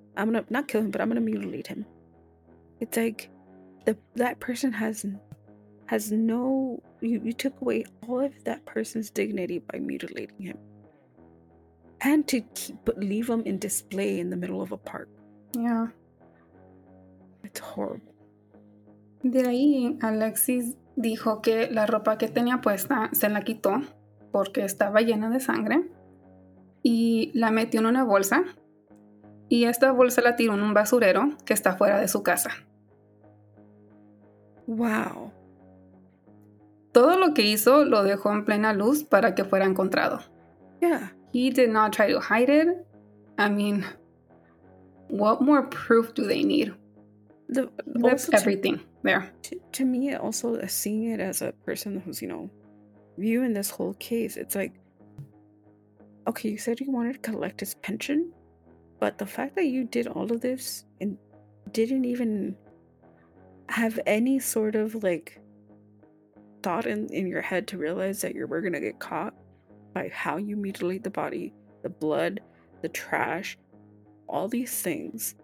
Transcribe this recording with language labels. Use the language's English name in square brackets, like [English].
[English] I'm going to, not kill him, but I'm going to mutilate him. It's like, that person has no, you took away all of that person's dignity by mutilating him. And to leave him in display in the middle of a park. Yeah. It's horrible. [Spanish] De ahí, Alexis dijo que la ropa que tenía puesta se la quitó. Porque estaba llena de sangre y la metió en una bolsa y esta bolsa la tiró en un basurero que está fuera de su casa. [English] Wow. [Spanish] Todo lo que hizo lo dejó en plena luz para que fuera encontrado. [English] Yeah. He did not try to hide it. I mean, what more proof do they need? That's everything there. To me, also seeing it as a person who's, you know, view in this whole case, it's like, okay, you said you wanted to collect his pension, but the fact that you did all of this and didn't even have any sort of like thought in your head to realize that you were gonna get caught by how you mutilate the body, the blood, the trash, all these things.